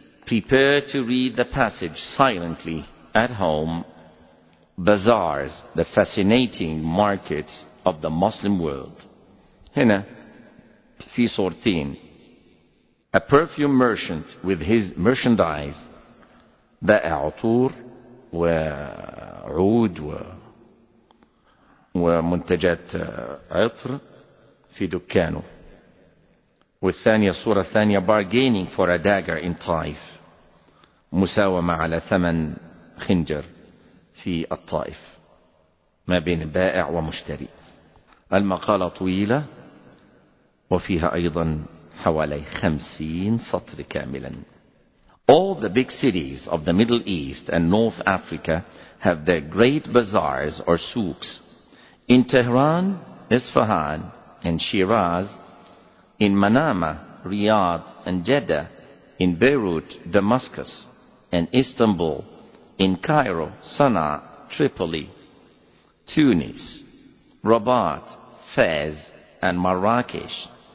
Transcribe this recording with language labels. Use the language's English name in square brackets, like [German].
[English] Prepare to read the passage silently at home. Bazaars, the fascinating markets of the Muslim world. [Arabic] Hina. في صورتين. [English] A perfume merchant with his merchandise. [Arabic] بائع عطور وعود ومنتجات عطر في دكانه. والثانية صورة ثانية [English] bargaining for a dagger in Taif. [Arabic] مساومة على ثمن خنجر في الطائف. ما بين بائع ومشتري. المقالة طويلة. وفيها أيضا حوالي 50 سطر كاملا. [English] All the big cities of the Middle East and North Africa have their great bazaars or souks. In Tehran, Isfahan and Shiraz, in Manama, Riyadh and Jeddah, in Beirut, Damascus and Istanbul, in Cairo, Sana'a, Tripoli, Tunis, Rabat, Fez and Marrakesh.